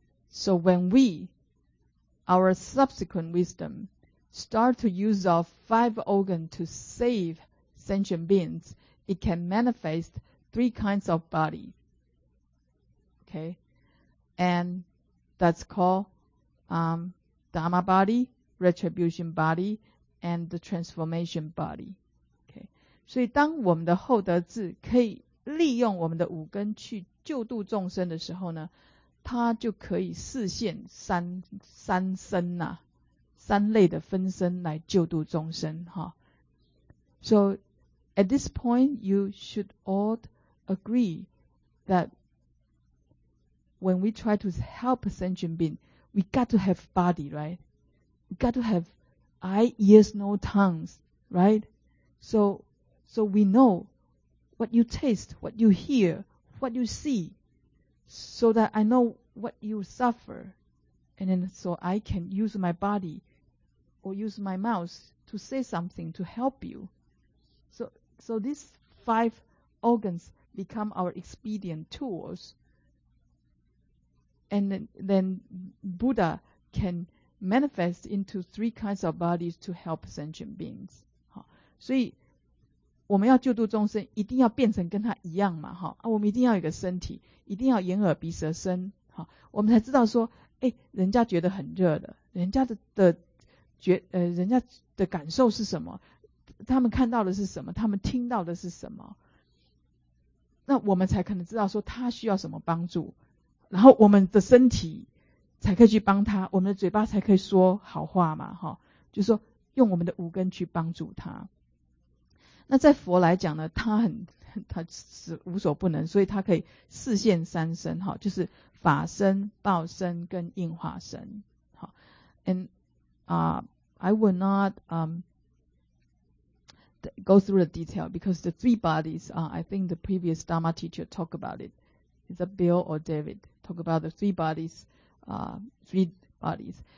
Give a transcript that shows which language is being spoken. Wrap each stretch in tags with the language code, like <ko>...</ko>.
<en>So when we, our subsequent wisdom, start to use our five organs to save sentient beings, it can manifest three kinds of body. Okay? And that's called, Dharma body, retribution body, and the transformation body. Okay?</en> <zh>所以当我们的后得智可以利用我们的五根去救度众生的时候呢，它就可以示现三身啊，三类的分身来救度众生哈。</zh> <en>So at this point, you should all agree that when we try to help a sentient being, we got to have body, right? We got to have eye, ears, no tongues, right? So we know. What you taste, what you hear, what you see, so that I know what you suffer, and then so I can use my body or use my mouth to say something to help you. So these five organs become our expedient tools, and then Buddha can manifest into three kinds of bodies to help sentient beings. So.</en> <zh>我们要救度众生一定要变成跟他一样嘛、啊、我们一定要有个身体，一定要眼耳鼻舌身、啊、我们才知道说哎、欸，人家觉得很热的，人家 人家的感受是什么，他们看到的是什么，他们听到的是什么，那我们才可能知道说他需要什么帮助，然后我们的身体才可以去帮他，我们的嘴巴才可以说好话嘛、啊、就是说用我们的五根去帮助他。那在佛来讲呢，他是无所不能，所以他可以示现三身，就是法身、报身跟应化身。</zh> <en>And I will not go through the detail because the three bodies, I think the previous Dharma teacher talked about it. Is it Bill or David? Talk about the three bodies, three bodies.</en>